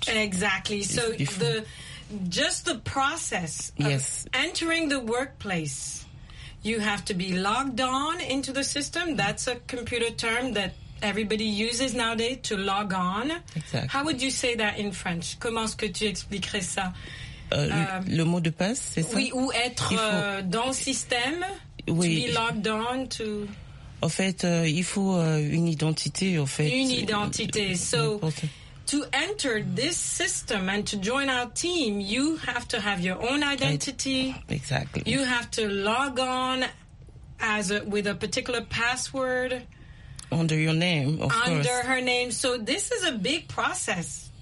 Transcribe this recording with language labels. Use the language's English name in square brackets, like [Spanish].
[English] Exactly. So the process of entering the workplace, you have to be logged on into the system. That's a computer term that everybody uses nowadays, to log on. Exactly. How would you say that in French? [French] Comment est-ce que tu expliquerais ça? Le mot de passe, c'est ça? Oui, ou être dans le système, oui. [English] To be logged on to... [French] En fait, il faut une identité, en fait. Une identité. [English] So, to enter this system and to join our team, you have to have your own identity. Exactly. You have to log on with a particular password. Under your name, of course. Under her name. So this is a big process.